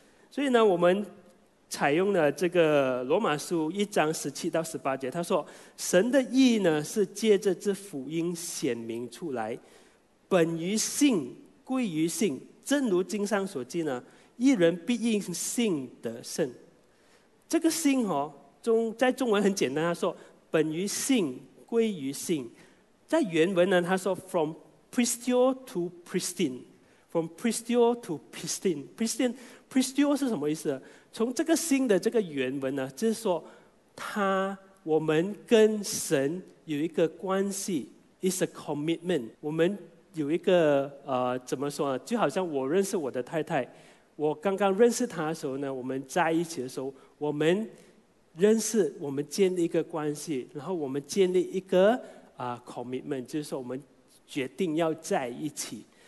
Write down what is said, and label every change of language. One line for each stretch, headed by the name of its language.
Chinese: 所以呢我们采用了这个罗马书1:17-18，他说神的义呢是借着这福音显明出来，本于信，归于信，正如经上所记呢，一人必因信得胜。这个信哦，在中文很简单，他说本于信，归于信。在原文呢，他说
English: from pristine to pristine, from pristine to pristine, pristine, pristine
Chinese: 是什么意思？从这个信的这个原文呢，就是说他我们跟神有一个关系，
English: It's a commitment.
Chinese: 我们有一个怎么说呢？就好像我认识我的太太，我刚刚认识她的时候呢，我们在一起的时候，我们认识，我们建立一个关系，然后我们建立一个commitment， 就是说我们决定要在一起。